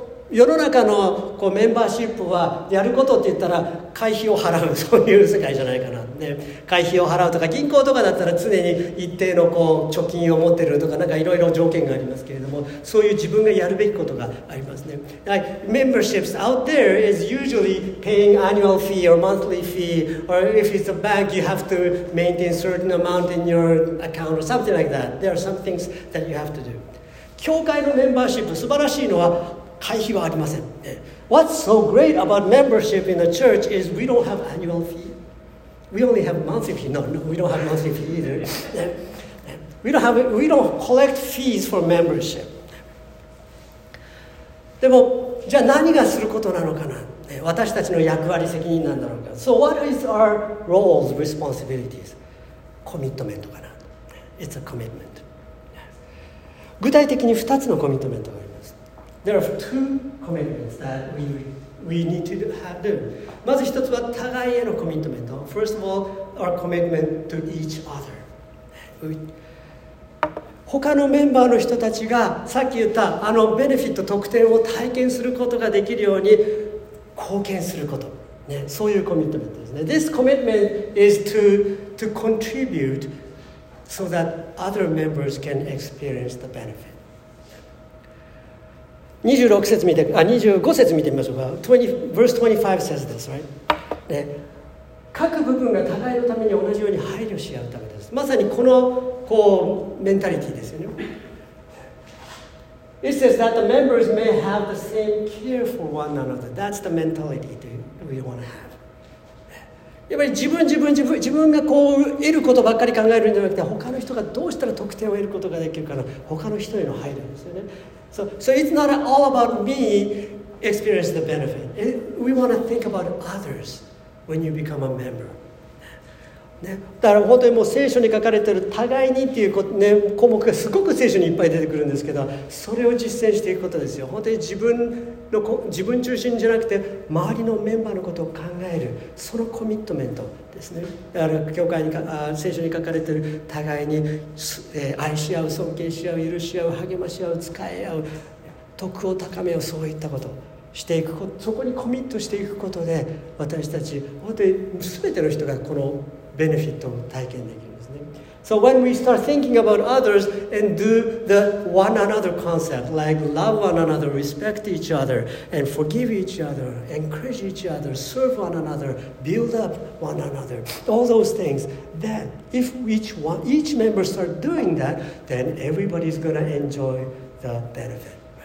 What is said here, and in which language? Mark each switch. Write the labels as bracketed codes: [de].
[ja] 世の中のこうメンバーシップはやることって言ったら会費を払う、そういう世界じゃないかな、ね、会費を払うとか銀行とかだったら常に一定のこう貯金を持ってるとかなんかいろいろ条件がありますけれども、そういう自分がやるべきことがありますね。 [en] Memberships out there is usually paying annual fee or monthly fee, or if it's a bank you have to maintain certain amount in your account or something like that. There are some things that you have to do. [ja] 教会のメンバーシップ、素晴らしいのは会費はありません。 [en] What's so great about membership in the church is we don't have annual fee. We only have monthly fee. No, we don't have monthly fee either. We don't collect fees for membership. [ja] でも、じゃあ何がすることなのかな？私たちの役割、責任なんだろうか。 [en] So what is our roles, responsibilities? [ja] コミットメントかな。 [en] It's a commitment. [ja] 具体的に2つのコミットメントがある。 [en] There are two commitments that we need to have done. [ja] まず一つは互いへのコミットメント。 [en] First of all, our commitment to each other. [ja] 他のメンバーの人たちがさっき言ったあのベネフィット、特典を体験することができるように貢献すること。ね、そういうコミットメントですね。 [en] This commitment is to contribute so that other members can experience the benefit. [ja] 25節見てみましょうか。 [en] Verse 25 says this, right? [ja] 各部分が互いのために同じように配慮し合うためです。まさにこのこうメンタリティですよね。 [en] It says that the members may have the same care for one another. That's the mentality that we want to have. [ja] やっぱり自分がこう得ることばっかり考えるんじゃなくて、他の人がどうしたら得点を得ることができるかな、他の人への配慮ですよね。 [en] So it's not all about me experiencing the benefit. We want to think about others when you become a member.、 [ja] ね、だから本当にもう聖書に書かれている互いにっていう、ね、項目がすごく聖書にいっぱい出てくるんですけど、それを実践していくことですよ。本当に自分中心じゃなくて周りのメンバーのことを考える、そのコミットメントですね。だから教会に聖書に書かれている互いに、愛し合う、尊敬し合う、許し合う、励まし合う、使い合う、徳を高めよう、そういったことしていく、そこにコミットしていくことで、私たち本当に全ての人がこのベネフィットを体験できるんですね。 [en] So when we start thinking about others and do the one another concept, like love one another, respect each other, and forgive each other, encourage each other, serve one another, build up one another, all those things, then if each member start doing that, then everybody's going to enjoy the benefit.